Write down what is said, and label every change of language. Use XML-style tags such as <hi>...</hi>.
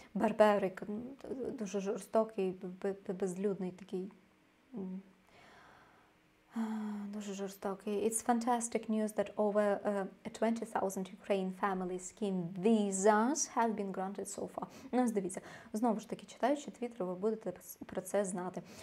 <uk>Барбарик, дуже жорстокий, безлюдний такий. Дуже жорстокий.</uk> <en>It's fantastic news that over 20,000 Ukraine family scheme visas have been granted so far.</en> <uk>Ну, дивіться, знову ж таки, читаючи твіттер, ви будете про це знати.</uk>